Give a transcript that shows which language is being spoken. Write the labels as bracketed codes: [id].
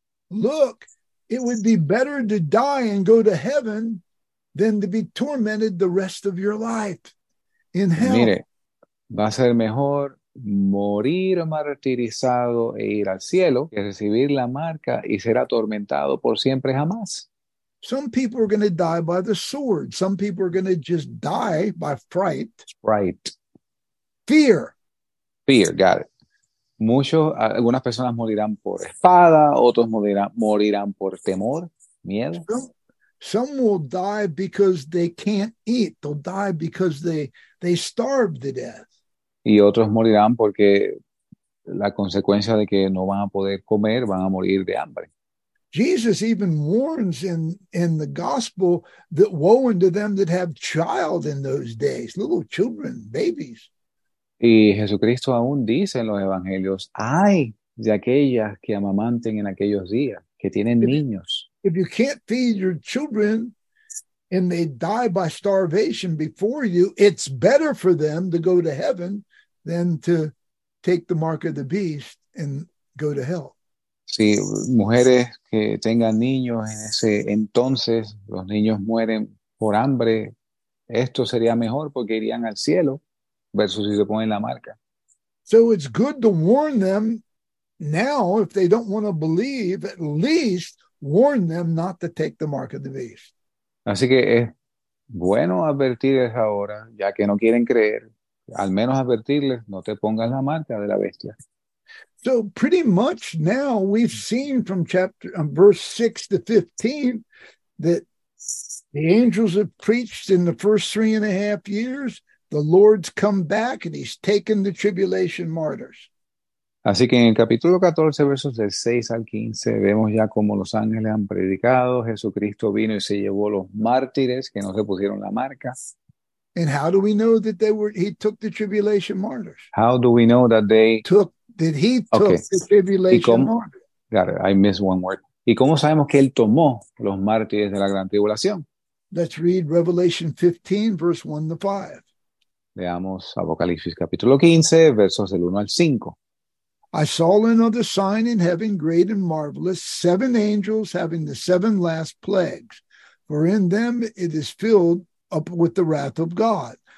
[en] Look, it would be better to die and go to heaven than to be tormented the rest of your life in hell. [es] Mire, va a ser mejor morir martirizado e ir al cielo que recibir la marca y ser atormentado por siempre jamás. [en] Some people are going to die by the sword. Some people are going to just die by fright. Fright. Fear. Fear, got it. [es] Algunas personas morirán por espada, otros morirán por temor, miedo. [en] Some will die because they can't eat. They'll die because they starve to death. [es] Y otros morirán porque la consecuencia de que no van a poder comer, van a morir de hambre. [en] Jesus even warns in the gospel that woe unto them that have child in those days, little children, babies. [es] Y Jesucristo aún dice en los evangelios, ay de aquellas que amamanten en aquellos días, que tienen niños. [en] If you can't feed your children and they die by starvation before you, it's better for them to go to heaven than to take the mark of the beast and go to hell. [es] Si mujeres que tengan niños en ese entonces, los niños mueren por hambre, esto sería mejor porque irían al cielo versus si se ponen la marca. [en] So it's good to warn them now if they don't want to believe, at least warn them not to take the mark of the beast. [es] Así que es bueno advertirles ahora, ya que no quieren creer, al menos advertirles, no te pongas la marca de la bestia. [en] So pretty much now we've seen from chapter verse 6 to 15 that the angels have preached in the first 3.5 years, the Lord's come back and he's taken the tribulation martyrs. [es] Así que en el capítulo 14, versos del 6 al 15, vemos ya como los ángeles han predicado, Jesucristo vino y se llevó los mártires que no se pusieron la marca. [en] And how do we know that he took the tribulation martyrs? How do we know that they took Did he took okay. the tribulation martyrs? Got it. I missed one word. [es] ¿Y cómo sabemos que él tomó los mártires de la gran tribulación? [en] Let's read Revelation 15, verse 1 to 5. [es] Leamos Apocalipsis capítulo 15, versos del 1 al 5. [en] I saw another sign in heaven, great and marvelous, 7 angels having the 7 last plagues. For in them it is filled up with the wrath of God.